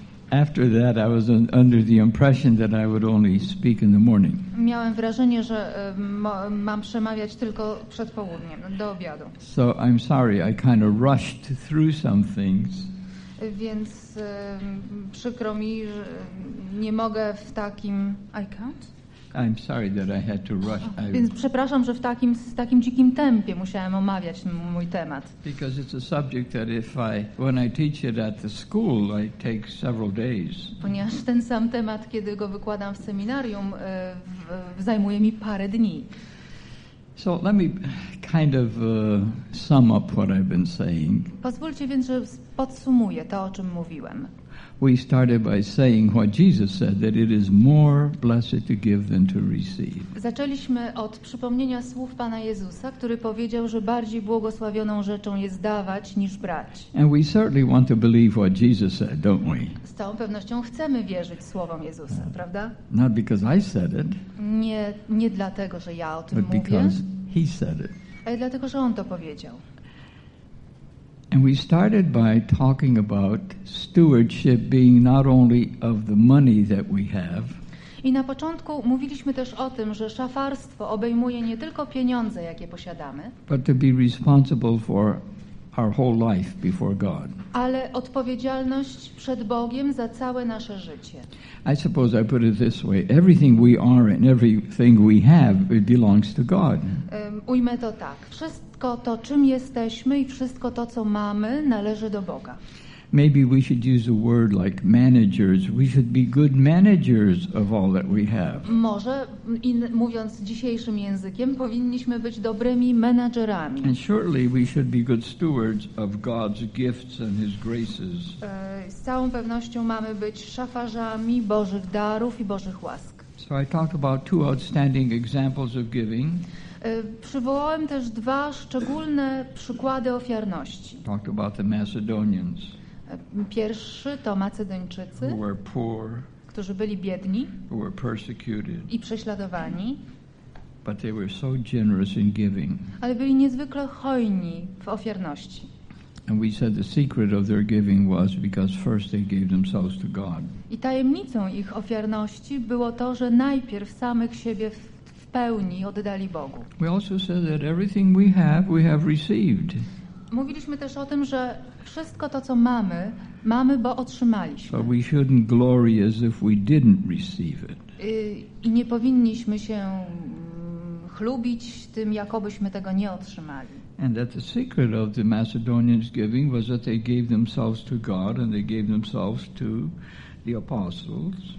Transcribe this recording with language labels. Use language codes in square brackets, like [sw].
[en] After that, I was under the impression that I would only speak in the morning. [pl] Miałem wrażenie, że mam przemawiać tylko przed południem, do obiadu. [en] So I'm sorry, I kind of rushed through some things. [pl] Więc przykro mi, że nie mogę w takim. [en] I can't. I'm sorry that I had to rush. [pl] Więc przepraszam, że w takim dzikim tempie musiałem omawiać mój temat. [en] Because it's a subject that when I teach it at the school, I take several days. [pl] Ponieważ ten sam temat, kiedy go wykładam w seminarium, zajmuje mi parę dni. [en] So let me kind of sum up what I've been saying. [pl] Pozwólcie więc, że podsumuję to, o czym mówiłem. [en] We started by saying what Jesus said, that it is more blessed to give than to receive. [pl] Zaczęliśmy od przypomnienia słów Pana Jezusa, który powiedział, że bardziej błogosławioną rzeczą jest dawać niż brać. [en] And we certainly want to believe what Jesus said, don't we? [pl] Z całą pewnością chcemy wierzyć słowom Jezusa, prawda? [en] Not because I said it. [pl] Nie dlatego, że ja o tym [en] but [pl] mówię. [en] Because he said it. [pl] Ale dlatego, że on to powiedział. [en] And we started by talking about stewardship being not only of the money that we have. [pl] I na początku mówiliśmy też o tym, że szafarstwo obejmuje nie tylko pieniądze, jakie posiadamy, [en] but to be responsible for our whole life before God. [pl] Ale odpowiedzialność przed Bogiem za całe nasze życie. [en] I suppose I put it this way: everything we are and everything we have, it belongs to God. [pl] Ujmę to tak. Wszystko to, czym jesteśmy i wszystko to, co mamy, należy do Boga. [en] Maybe we should use a word like managers. We should be good managers of all that we have. [pl] Może, mówiąc dzisiejszym językiem, powinniśmy być dobrymi menadżerami. [en] And surely we should be good stewards of God's gifts and His graces. [pl] Z całą pewnością mamy być szafarzami Bożych darów i Bożych łask. [en] So I talked about two outstanding examples of giving. [pl] Przywołałem też dwa szczególne przykłady ofiarności. [en] Talked about the Macedonians. [pl] Pierwszy to Macedończycy, [en] who were poor, [pl] którzy byli biedni, [en] who were persecuted, [pl] i prześladowani, [en] but they were so generous in giving. [pl] Ale byli niezwykle hojni w ofiarności. [en] And we said the secret of their giving was because first they gave themselves to God. [pl] I tajemnicą ich ofiarności było to, że najpierw samych siebie w pełni oddali Bogu. [en] We also said that everything we have received. [pl] Mówiliśmy też o tym, że wszystko to, co mamy, mamy, bo otrzymaliśmy. [en] But we shouldn't glory as if we didn't receive it. [pl] I nie powinniśmy się chlubić tym, jakobyśmy tego nie otrzymali. [en] And that the secret of the Macedonians' giving was that they gave themselves to God and they gave themselves to the apostles.